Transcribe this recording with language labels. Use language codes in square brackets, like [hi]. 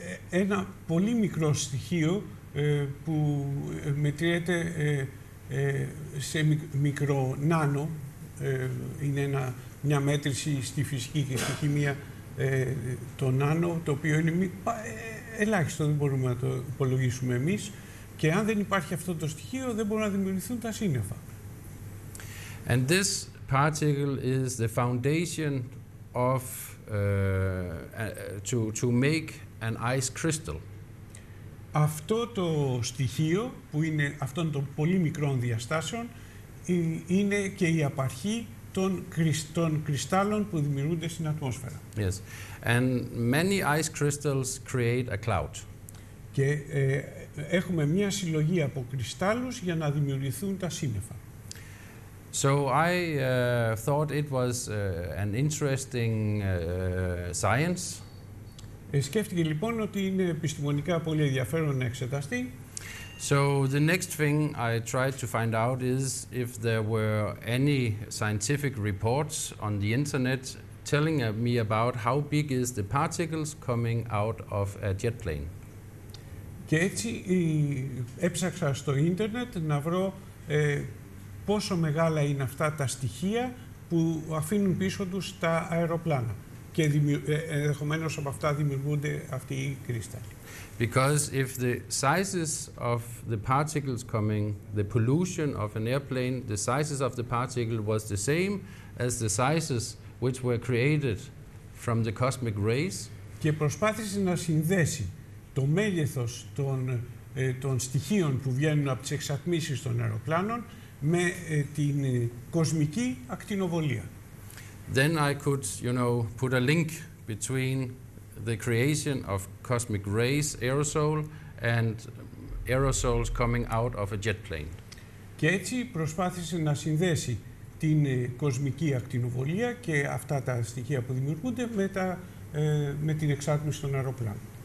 [el] Ένα πολύ μικρό στοιχείο που μετριέται σε μικρό νάνο, είναι μια μέτρηση στη φυσική και στη χημεία το νάνο, το οποίο είναι ελάχιστο, δεν μπορούμε να το υπολογίσουμε εμείς, και αν δεν υπάρχει αυτό το στοιχείο δεν μπορούν να δημιουργηθούν τα σύννεφα. [en] And this particle is the foundation of to make an ice crystal. [el] Αυτό το στοιχείο που είναι αυτών των πολύ μικρών διαστάσεων είναι και η απαρχή των κρυστάλλων που δημιουργούνται στην ατμόσφαιρα. [en] Yes. And many ice crystals create a cloud. [el] Και έχουμε μια συλλογή από κρυστάλλους για να δημιουργηθούν τα σύννεφα. [en] So I thought it was an interesting science. [el] Σκέφτηκε λοιπόν ότι είναι επιστημονικά πολύ ενδιαφέρον να εξεταστεί. [en] So the next thing I tried to find out is if there were any scientific reports on the internet telling me about how big is the particles coming out of a jet plane. [el] Και έτσι έψαξα στο ίντερνετ να βρω πόσο μεγάλα είναι αυτά τα στοιχεία που αφήνουν πίσω τους τα αεροπλάνα. και ενδεχομένως από αυτά δημιουργούνται αυτοί οι κρύσταλλοι. [en] Because if the sizes of the particles coming, the pollution of an airplane, the sizes of the particle was the same as the sizes which were created from the cosmic rays. [el] Και προσπάθησε να συνδέσει το μέγεθος των στοιχείων που βγαίνουν από τις εξατμίσεις των αεροπλάνων με την κοσμική ακτινοβολία. [en] Then I could, you know, put a link between the creation of cosmic rays aerosol and aerosols coming out of a jet plane. [el] Και έτσι προσπάθησε να συνδέσει την κοσμική ακτινοβολία και αυτά τα στοιχεία που δημιουργούνται με την εξάτμιση των αεροπλάνων.